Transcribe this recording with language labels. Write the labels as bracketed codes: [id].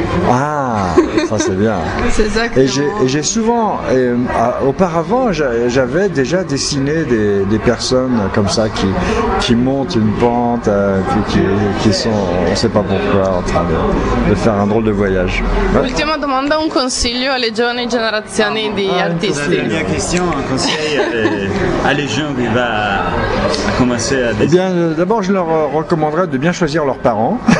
[fr] Ah, ça c'est bien. C'est exactement. Auparavant, j'avais déjà dessiné des personnes comme ça qui montent une pente, qui sont, on ne sait pas pourquoi, en train de faire un drôle de voyage. Ouais. [it] Ultima domanda, [fr] un conseil [it] alle giovani generazioni di artisti. [fr] La dernière question, un conseil. À les gens qui va commencer à dessiner. Eh bien, d'abord, je leur recommanderais de bien choisir leurs parents.